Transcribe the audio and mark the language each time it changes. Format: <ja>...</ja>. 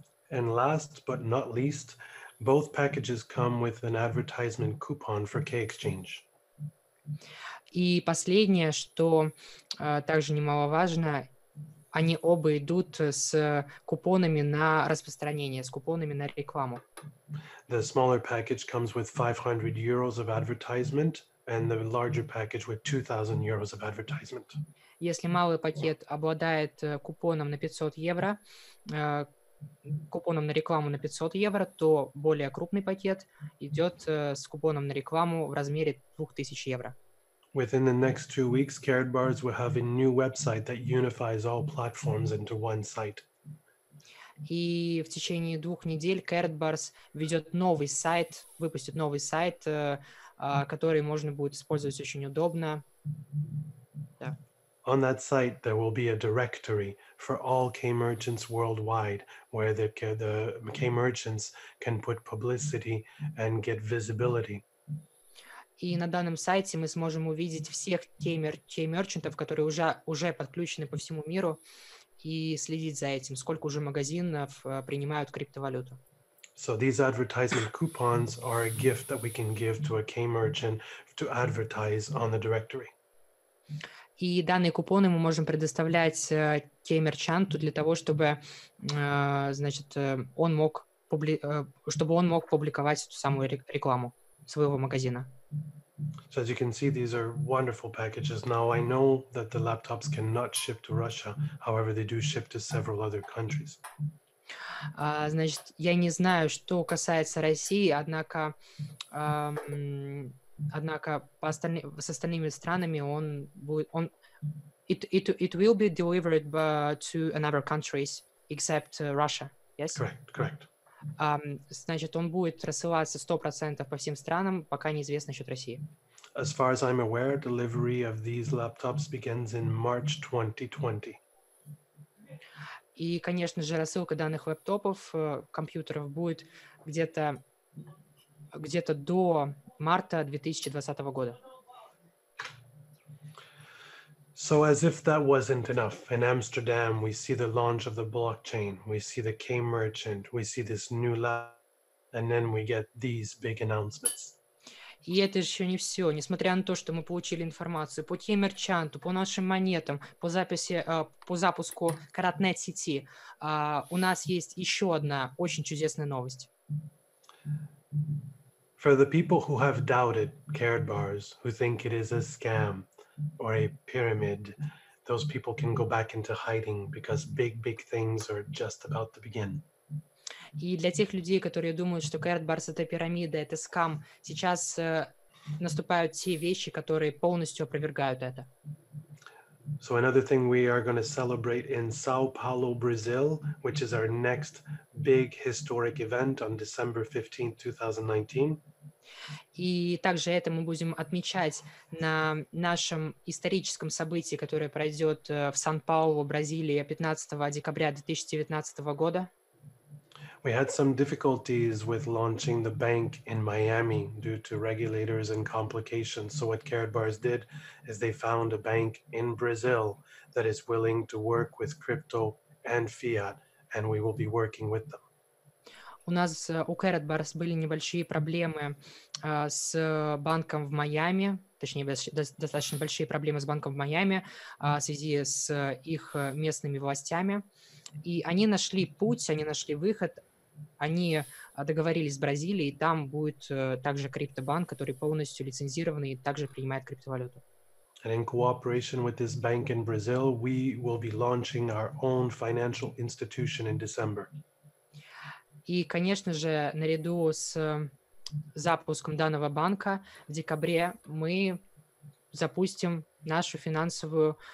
<en>And last but not least, both packages come with an advertisement coupon for K-Exchange.</en> <ru>И последнее, что также немаловажно, они оба идут с купонами на распространение, с купонами на рекламу.</ru> <en>The smaller package comes with 500 euros of advertisement and the larger package with 2000 euros of advertisement.</en> <ru>Если малый пакет обладает купоном на 500 евро, купоном на рекламу на 500 евро, то более крупный пакет идет с купоном на рекламу в размере 2000 евро.</ru> <en>Within the next 2 weeks, Karat Bars will have a new website that unifies all platforms into one site.</en> <ru>И в течение 2 недель Karat Bars ведет новый сайт, выпустит новый сайт, который можно будет использовать очень удобно. Да.</ru> <en>On that site, there will be a directory for all K-merchants worldwide, where the K-merchants can put publicity and get visibility.</en> <ru>И на данном сайте мы сможем увидеть всех K-мерчантов, которые уже подключены по всему миру, и следить за этим, сколько уже магазинов принимают криптовалюту.</ru> <en>So these advertisement coupons are a gift that we can give to a K-merchant to advertise on the directory.</en> <ru>И данные купоны мы можем предоставлять тем мерчанту для того, чтобы, значит, он мог публиковать эту самую рекламу своего магазина.</ru> <en>So as you can see, these are wonderful packages. Now I know that the laptops cannot ship to Russia. However, they do ship to several other countries.</en> <ru>Значит, я не знаю, что касается России, однако, с остальными странами он будет, он</ru> <en>it will be delivered to another countries except Russia. Yes. Correct.</en> <ru>Значит, он будет рассылаться 100% по всем странам, пока неизвестно насчет России.</ru> <en>As far as I'm aware, delivery of these laptops begins in March 2020.</en> <ru>И, конечно же, рассылка данных лэптопов, компьютеров будет где-то до марта 2020 года.</ru> <en>So as if that wasn't enough, in Amsterdam we see the launch of the blockchain, we see the K-merchant, we see this new lab, and then we get these big announcements.</en> <ru>И это еще не все. Несмотря на то, что мы получили информацию по K-мерчанту, по нашим монетам, по запуску каратнет сети, у нас есть еще одна очень чудесная новость.</ru> <en>For the people who have doubted CardBars, who think it is a scam or a pyramid, those people can go back into hiding because big things are just about to begin.</en> <ru>И для тех людей, которые думают, что CardBars — это пирамида, это скам, сейчас наступают те вещи, которые полностью опровергают это.</ru> <en>So another thing we are going to celebrate in São Paulo, Brazil, which is our next big historic event on December 15, 2019.</en> <ru>И также это мы будем отмечать на нашем историческом событии, которое пройдет в Сан-Паулу, Бразилии, 15 декабря 2019 года.</ru> <en>We had some difficulties with launching the bank in Miami due to regulators and complications. So what CardBars did is they found a bank in Brazil that is willing to work with crypto and fiat, and we will be working with them.</en> <ru>У нас у CardBars были небольшие проблемы с банком в Майами, точнее, достаточно большие проблемы с банком в Майами в связи с их местными властями. И они нашли путь, они нашли выход. Они договорились с Бразилией, и там будет также криптобанк, который полностью лицензированный и также принимает криптовалюту.</ru> <en>And in cooperation with this bank in Brazil, we will be launching our own financial institution in December.</en> <ru>И, конечно же, наряду с запуском данного банка в декабре мы запустим наше финансовое...</ru>